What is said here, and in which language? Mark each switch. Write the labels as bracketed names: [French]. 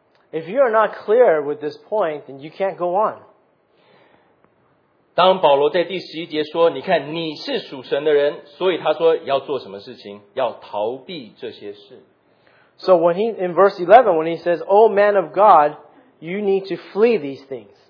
[English] If you are not clear with this point, then you can't go on. [Chinese] 当保罗在第十一节说，你看你是属神的人，所以他说要做什么事情，要逃避这些事。 [English] So when he in verse 11, when he says, "O man of God, you need to flee these things."